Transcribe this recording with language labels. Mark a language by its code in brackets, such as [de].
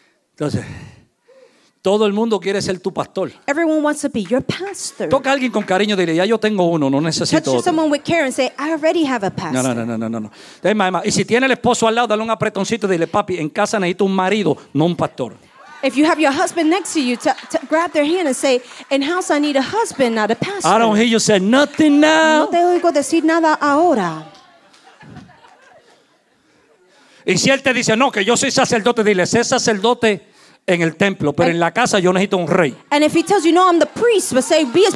[es] Entonces, todo el mundo quiere ser tu pastor. [en] Everyone wants to be your pastor. [es] Toca a alguien con cariño y dile, ya yo tengo uno, no necesito [en] touch [es] otro. [en] Touch someone with care and say, I already have a pastor. [es] No. Es más. Y si tiene el esposo al lado, dale un apretoncito y dile, papi, en casa necesito un marido, no un pastor. [en] If you have your husband next to you, grab their hand and say, in house I need a husband, not a pastor. I don't hear you say nothing now. [es] No te oigo decir nada ahora. Y si él te dice, no, que yo soy sacerdote, dile, sé sacerdote en el templo, pero en la casa yo necesito un rey. [en] And if he tells you, no, I'm the priest, but say, be a priest